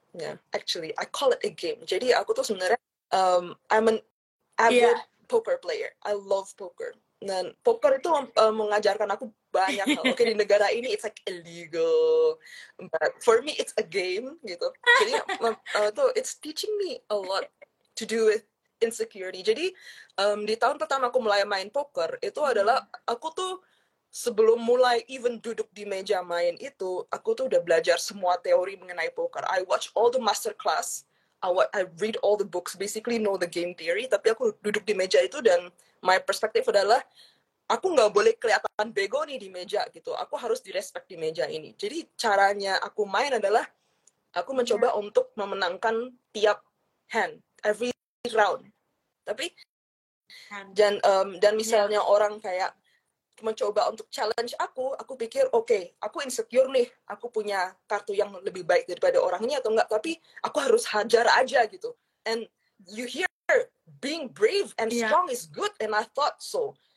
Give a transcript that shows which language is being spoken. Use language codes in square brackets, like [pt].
[en] Yeah, actually, I call it a game. [id] Jadi aku tuh sebenarnya [en] I'm an avid poker player. I love poker. [id] Dan poker itu mengajarkan aku banyak hal. Okay, di negara ini [en] it's like illegal, but for me it's a game [id] gitu. Jadi tuh [en] it's teaching me a lot to do with insecurity. [id] Jadi di tahun pertama aku mulai main poker itu adalah aku tuh sebelum mulai even duduk di meja main itu, aku tuh udah belajar semua teori mengenai poker. [en] I watch all the masterclass, I read all the books, basically know the game theory. [id] Tapi aku duduk di meja itu dan [en] my perspective [id] adalah, aku nggak boleh kelihatan bego nih di meja gitu. Aku harus direspek di meja ini. Jadi caranya aku main adalah, aku mencoba untuk memenangkan tiap hand, [en] every round. [id] Tapi, dan misalnya orang kayak, mencoba untuk challenge aku pikir okay, aku insecure nih, aku punya kartu yang lebih baik daripada orangnya atau enggak, tapi aku harus hajar aja gitu. [en] And you hear being brave and strong is good, and I thought so.